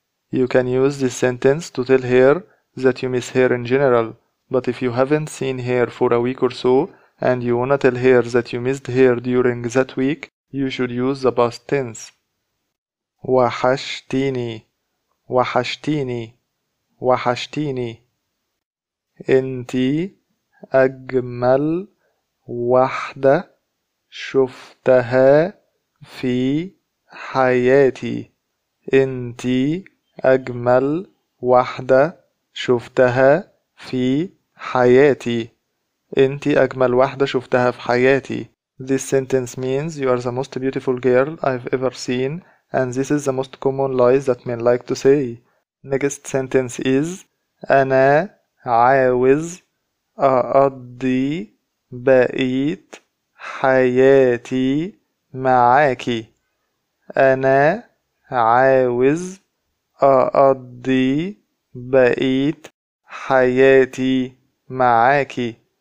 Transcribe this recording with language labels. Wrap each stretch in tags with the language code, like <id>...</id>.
<en>You can use this sentence to tell her that you miss her in general, but if you haven't seen her for a week or so and you wanna tell her that you missed her during that week, you should use the past tense.</en> <ar>وحشتيني وحشتيني وحشتيني. انتي أجمل واحدة شفتها في حياتي. أنتي أجمل واحدة شفتها في حياتي. أنتي أجمل واحدة شفتها في حياتي.</ar> <en>This sentence means you are the most beautiful girl I've ever seen, and this is the most common lies that men like to say. Next sentence is</en> <ar>أنا عاوز أقضي بقيت حياتي معاكي. أنا عاوز أقضي بقيت حياتي معاكي.</ar>